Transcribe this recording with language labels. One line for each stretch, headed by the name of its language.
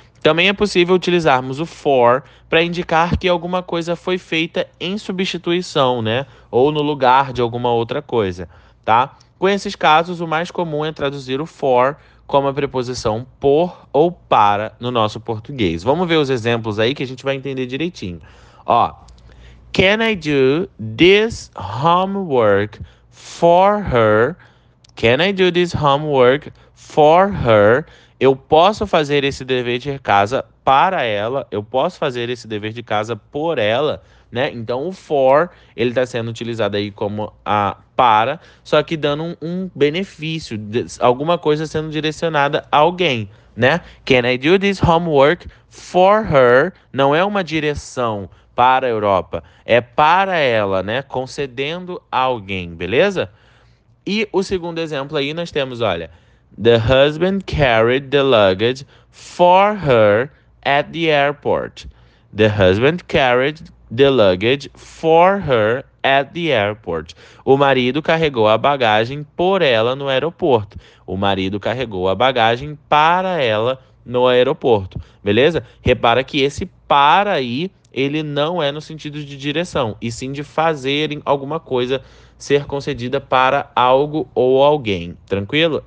Portuguese: Também é possível utilizarmos o for para indicar que alguma coisa foi feita em substituição, né? Ou no lugar de alguma outra coisa, tá? Com esses casos, o mais comum é traduzir o for como a preposição por ou para no nosso português. Vamos ver os exemplos aí que a gente vai entender direitinho.
English: Ó, can I do this homework for her? Can I do this homework for her?
Portuguese: Eu posso fazer esse dever de casa para ela, eu posso fazer esse dever de casa por ela, né? Então o for, ele está sendo utilizado aí como a para, só que dando um benefício, alguma coisa sendo direcionada a alguém, né?
English: Can I do this homework for her?
Portuguese: Não é uma direção para a Europa, é para ela, né? Concedendo a alguém, beleza? E o segundo exemplo aí nós temos, olha.
English: The husband carried the luggage for her at the airport. The husband carried the luggage for her at the airport.
Portuguese: O marido carregou a bagagem por ela no aeroporto. O marido carregou a bagagem para ela no aeroporto. Beleza? Repara que esse para aí, ele não é no sentido de direção, e sim de fazerem alguma coisa ser concedida para algo ou alguém. Tranquilo?